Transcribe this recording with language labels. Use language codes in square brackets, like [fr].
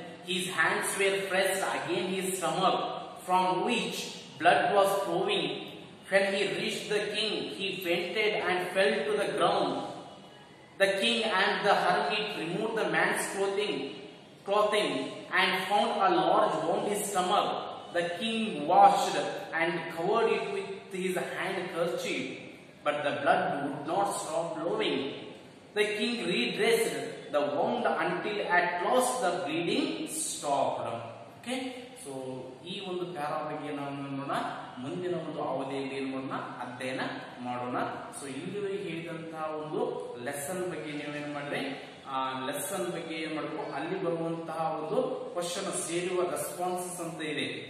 [en] His hands were pressed again his stomach from which blood was flowing. When he reach the king he fainted and fell to the ground. The king and the hermit remove the man's clothing and found a large wound his stomach. The king washed and covered it with his handkerchief, but the blood would not stop flowing. The king redressed the wound until at last the bleeding stopped. Okay? [kn] So, ಈ ಒಂದು ಪ್ಯಾರಾಗೆ ನಾವು ನೋಡೋಣ, ಮುಂದಿನ ಒಂದು ಅವಧಿಯಲ್ಲಿ ಏನು ಮಾಡೋಣ, ಅಧ್ಯಯನ ಮಾಡೋಣ. ಸೊ ಇಲ್ಲಿವರೆಗೆ ಹೇಳಿದಂತಹ ಒಂದು ಲೆಸನ್ ಬಗ್ಗೆ ನೀವು ಏನ್ ಮಾಡಿದ್ರೆ, ಆ ಲೆಸನ್ ಬಗ್ಗೆ ಏನ್ ಮಾಡಬೇಕು, ಅಲ್ಲಿ ಬರುವಂತಹ ಒಂದು ಕ್ವಶನ್ ಸೇರುವ ರೆಸ್ಪಾನ್ಸಸ್ ಅಂತ ಇದೆ.